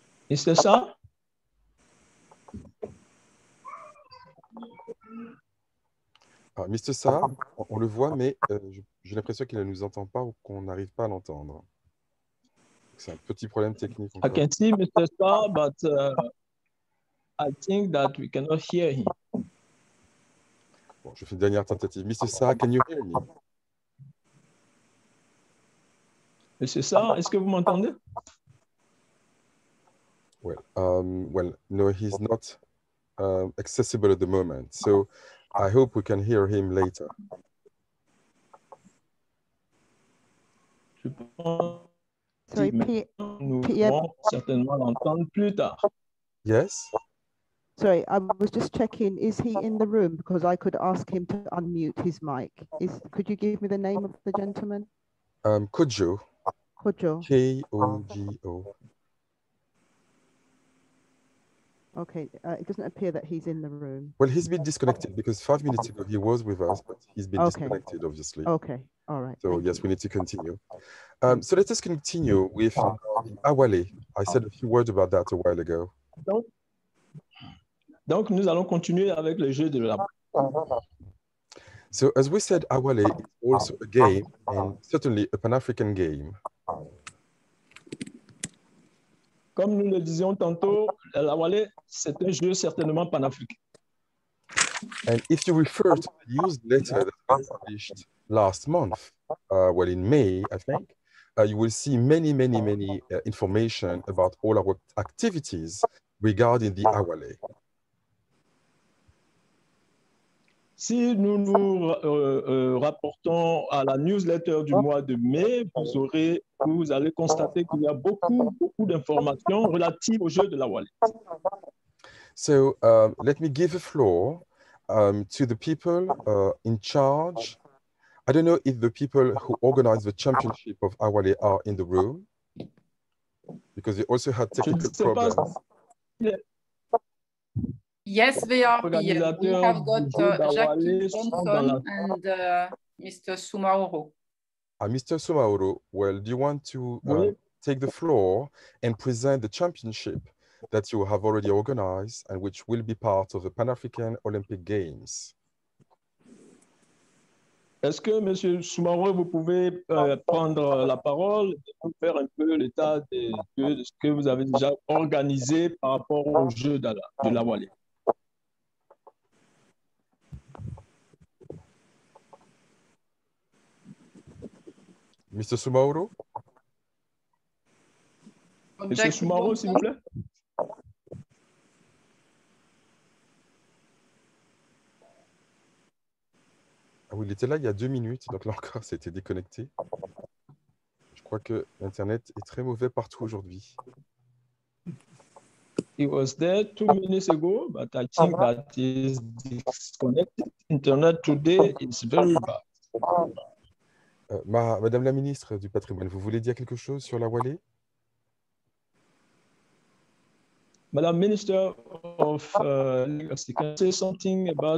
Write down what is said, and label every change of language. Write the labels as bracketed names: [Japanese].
[English] Mr. Sarr? Mr. [French] Sarr, on le voit, mais j'ai l'impression qu'il ne nous entend pas ou qu'on n'arrive pas à l'entendre. C'est un petit problème technique. [English] I can see Mr. Sarr, but I think that we cannot hear him. [French] Bon, je fais une dernière tentative. Mr. Sarr, [English] can you hear me? [French] Monsieur Sarr, est-ce que vous m'entendez? [English] Well, no, he's not accessible at the moment. So I hope we can hear him later. [French] Je pense que nous pourrons certainement l'entendre plus tard. [English] Yes? Sorry, I was just checking, is he in the room? Because I could ask him to unmute his mic. Could you give me the name of the gentleman? Kodjo. Kodjo. K-O-G-O. Okay, it doesn't appear that he's in the room. Well, he's been disconnected because 5 minutes ago he was with us, but he's been disconnected, obviously. Okay, all right. So, yes, we need to continue. So let us continue with Awale. I said a few words about that a while ago. [French] Donc, nous allons continuer avec le jeu de la... [English] So, as we said, Awale is also a game, and certainly a Pan-African game. [French] Comme nous le disions tantôt, l'Awale, c'est un jeu certainement pan-africain. [English] And if you refer to the newsletter that was published last month, well, in May, I think, you will see many, many, many information about all our activities regarding the Awale. [French] Si nous nous rapportons à la newsletter du mois de mai, vous allez constater qu'il y a beaucoup, beaucoup d'informations relatives au jeu de la Wallet. [English] So, let me give the floor to the people in charge. I don't know if the people who organized the championship of Awale are in the room, because they also had technical problems. Yes, they are here. We have got Jackie Johnson and Mr. Soumaoro. Mr. Soumaoro, well, do you want to take the floor and present the championship that you have already organized and which will be part of the Pan-African Olympic Games? [French] Est-ce que Monsieur Soumaoro, vous pouvez prendre la parole et vous faire un peu l'état de ce que vous avez déjà organisé par rapport au jeu de la Wallet? [English] Mr. Soumaoro? [French] Mr. Soumaoro, s'il vous plaît. Ah oui, il était là il y a 2 minutes, donc là encore, c'était déconnecté. Je crois que l'Internet est très mauvais partout aujourd'hui. [English] It was there 2 minutes ago, but I think that is disconnected. Internet today is very bad. [French] Madame la ministre du patrimoine, vous voulez dire quelque chose sur la Wallet? [English] Madame Minister of Legacy, can you say something